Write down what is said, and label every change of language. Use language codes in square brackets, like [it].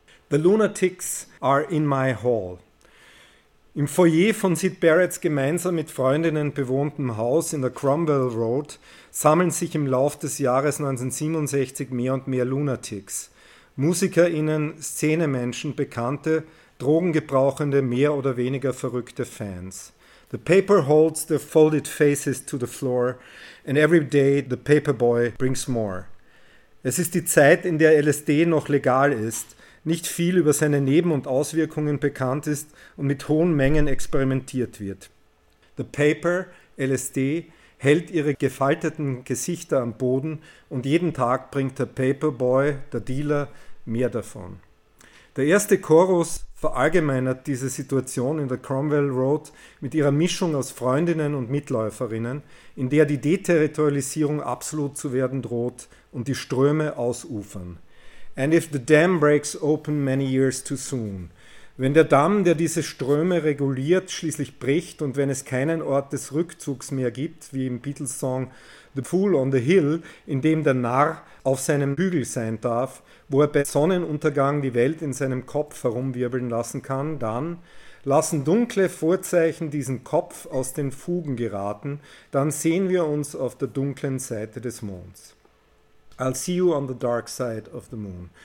[en] The Lunatics are in my hall. [de] Im Foyer von Syd Barretts gemeinsam mit Freundinnen bewohntem Haus in der Cromwell Road sammeln sich im Lauf des Jahres 1967 mehr und mehr Lunatics. MusikerInnen, Szenemenschen, Bekannte, drogengebrauchende, mehr oder weniger verrückte Fans. [en] The paper holds the folded faces to the floor and every day the paper boy brings more. [de] Es ist die Zeit, in der LSD noch legal ist, nicht viel über seine Neben- und Auswirkungen bekannt ist und mit hohen Mengen experimentiert wird. The paper, LSD, hält ihre gefalteten Gesichter am Boden und jeden Tag bringt der paper boy, der Dealer, mehr davon. Der erste Chorus verallgemeinert diese Situation in der Cromwell Road mit ihrer Mischung aus Freundinnen und Mitläuferinnen, in der die Deterritorialisierung absolut zu werden droht und die Ströme ausufern. [en] And if the dam breaks open many years too soon. [de] Wenn der Damm, der diese Ströme reguliert, schließlich bricht und wenn es keinen Ort des Rückzugs mehr gibt, wie im Beatles-Song The Fool on the Hill, in dem der Narr auf seinem Hügel sein darf, wo er bei Sonnenuntergang die Welt in seinem Kopf herumwirbeln lassen kann, dann lassen dunkle Vorzeichen diesen Kopf aus den Fugen geraten, dann sehen wir uns auf der dunklen Seite des Monds. [en] I'll see you on the dark side of the moon.